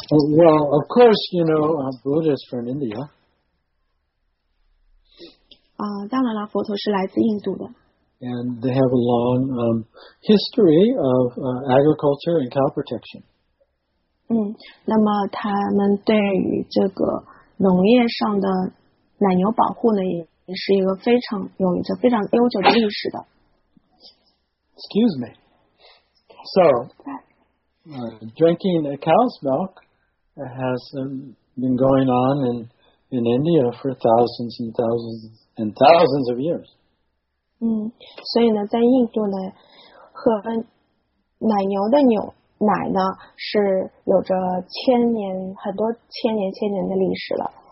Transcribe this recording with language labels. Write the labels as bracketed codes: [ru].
[en] Well, of course, you know, Buddha is from India. And they have a long history of agriculture and cow protection. [zh] 那么他们对于这个农业上的奶牛保护呢，也是一个非常有着非常悠久的历史的。 [en] Excuse me. So... drinking cow's milk has been going on in India for thousands and thousands and thousands of years. [zh] 所以呢，在印度呢，喝奶牛的牛奶呢，是有着千年、很多千年、千年的历史了。